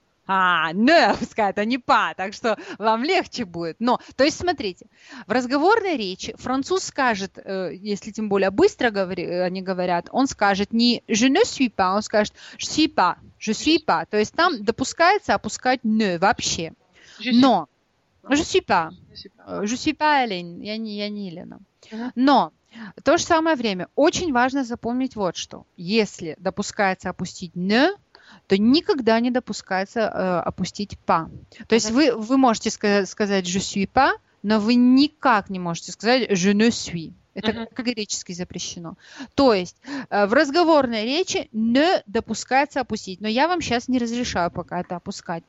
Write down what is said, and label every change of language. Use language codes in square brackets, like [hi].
[ru] А, «не» опускают, а не «па», так что вам легче будет. Но, то есть, смотрите, в разговорной речи француз скажет, если тем более быстро они говорят, он скажет не [fr] «je ne suis pas», [ru] он скажет [fr] «je suis pas», [ru] «je suis pas». То есть, там допускается опускать «не» вообще. Но, [fr] «je suis pas», «je suis pas Hélène», [ru] я не Елена. Но... В то же самое время очень важно запомнить вот что. Если допускается опустить «не», то никогда не допускается опустить «па». То есть вы можете сказать [fr] «je suis pas», [ru] но вы никак не можете сказать [fr] «je ne suis». [ru] Это категорически запрещено. То есть в разговорной речи «не» допускается опустить, но я вам сейчас не разрешаю пока это опускать.